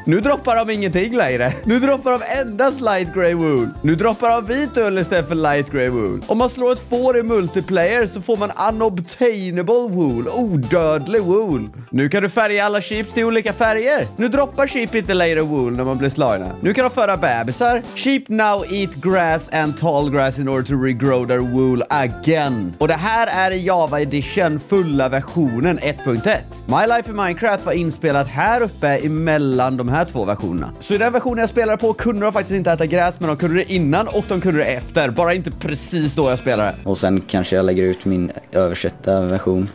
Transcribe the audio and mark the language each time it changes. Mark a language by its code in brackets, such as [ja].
[sv] Nu droppar de ingenting längre. Nu droppar de endast light grey wool. Nu droppar de vit ull istället för light grey wool. Om man slår ett får i multiplayer så får man unobtainable wool. Odödlig wool. Nu kan du färga alla sheep till olika färger. Nu droppar sheep inte längre wool när man blir slagna. Nu kan de föra bebisar. [en] Sheep now eat grass and tall grass in order to regrow their wool again. [sv] Och det här är Java Edition fulla versionen 1.1. My Life in Minecraft var inspelat här uppe emellan de här två versionerna. Så i den versionen jag spelade på kunde de faktiskt inte äta gräs, men de kunde det innan och de kunde det efter. Bara inte precis då jag spelade. Och sen kanske jag lägger ut min översatta version.